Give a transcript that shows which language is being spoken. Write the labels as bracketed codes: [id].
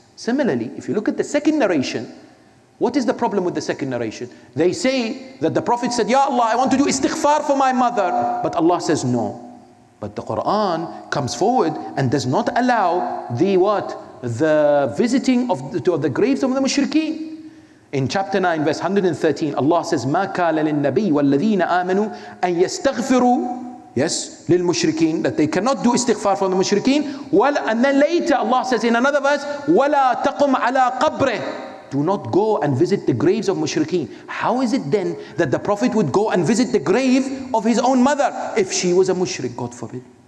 [en] Similarly, if you look at the second narration, what is the problem with the second narration? They say that the Prophet said, Ya Allah, I want to do istighfar for my mother. But Allah says, no. But the Quran comes forward and does not allow the what? The visiting of the graves of the mushrikeen. In chapter 9, verse 113, Allah says, [ar] مَا كَالَ لِلنَّبِيِّ وَالَّذِينَ آمَنُوا أَن يَسْتَغْفِرُوا. [en] Yes, lil mushrikeen, that they cannot do istighfar from the mushrikeen. Well, and then later Allah says in another verse, wala taqum ala qabri. Do not go and visit the graves of mushrikeen. How is it then that the Prophet would go and visit the grave of his own mother if she was a mushrik, God forbid?